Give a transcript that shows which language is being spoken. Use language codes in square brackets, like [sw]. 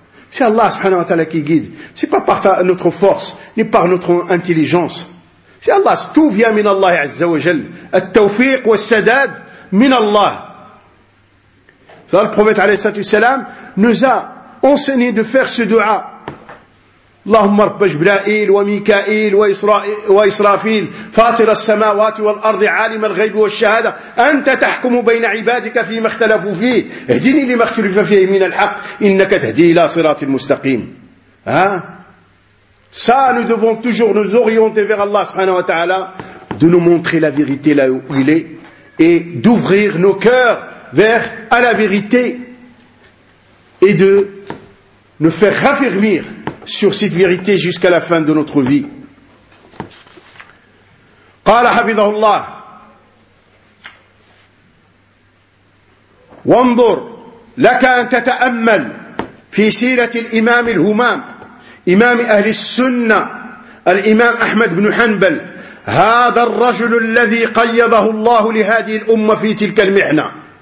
[fr] C'est Allah subhanahu wa ta'ala qui guide. C'est pas par notre force, ni par notre intelligence. C'est Allah, tout vient min Allah, azza wa jal. [ar] At-tawfiq wa sadad min Allah. [fr] Ça, le prophète alayhi salatu salam nous a enseigné de faire ce dua. [ar] اللهم رب جبرائيل وميكائيل وإسرافيل فاطر السماوات والأرض عالم الغيب والشهادة أنت تحكم بين عبادك فيما اختلفوا فيه اهدني لما اختلف فيه من الحق إنك تهدي إلى صراط المستقيم. [fr] ها ça nous devons toujours nous orienter vers Allah subhanahu wa ta'ala de nous montrer la vérité là où il est et d'ouvrir nos cœurs vers à la vérité et de nous faire raffermir sur cette vérité jusqu'à la fin de notre vie. [ar] قال حفظه الله وانظر لك أن تتأمل في سيرة الإمام الهمام إمام أهل السنة الإمام أحمد بن حنبل هذا الرجل الذي قيده الله لهذه الأمة في تلك المحنة